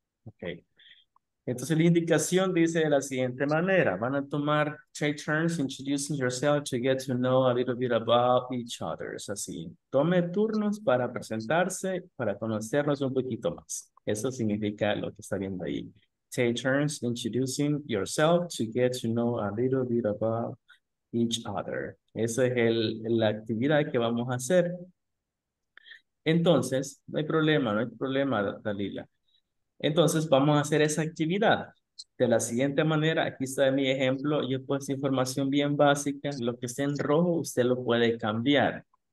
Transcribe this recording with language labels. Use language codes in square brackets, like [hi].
[es] Okay. Entonces, la indicación dice de la siguiente manera: van a tomar [en] take turns introducing yourself to get to know a little bit about each other. [es] Es así. Tome turnos para presentarse, para conocernos un poquito más. Eso significa lo que está viendo ahí. [en] Take turns introducing yourself to get to know a little bit about each other. [es] Esa es la actividad que vamos a hacer. Entonces, no hay problema, no hay problema, Dalila. Entonces, vamos a hacer esa actividad de la siguiente manera. Aquí está mi ejemplo. Yo he puesto información bien básica. Lo que esté en rojo, usted lo puede cambiar.